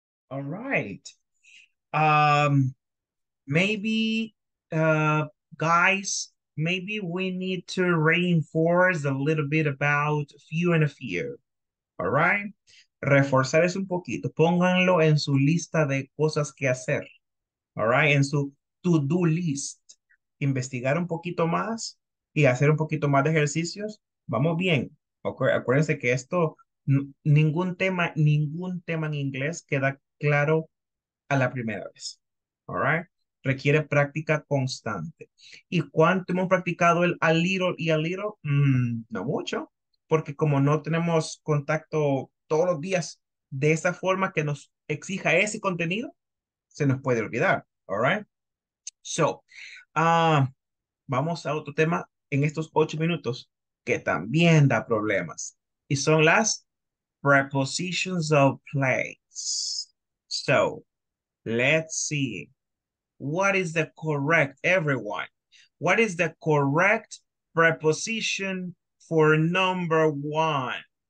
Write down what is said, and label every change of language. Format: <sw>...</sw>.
<en>All right. Maybe we need to reinforce a little bit about few and a few.</en> <es>All right. Reforzar es un poquito. Pónganlo en su lista de cosas que hacer. All right. En su to-do list. Investigar un poquito más y hacer un poquito más de ejercicios. Vamos bien. Acuérdense que esto, ningún tema en inglés queda claro a la primera vez. All right? Requiere práctica constante. ¿Y cuánto hemos practicado el a little y a little? No mucho, porque como no tenemos contacto todos los días de esa forma que nos exija ese contenido, se nos puede olvidar. All right? So, vamos a otro tema en estos 8 minutos que también da problemas. Y son las</es> <en>prepositions of place. So, let's see, what is the correct, everyone, what is the correct preposition for number one?</en>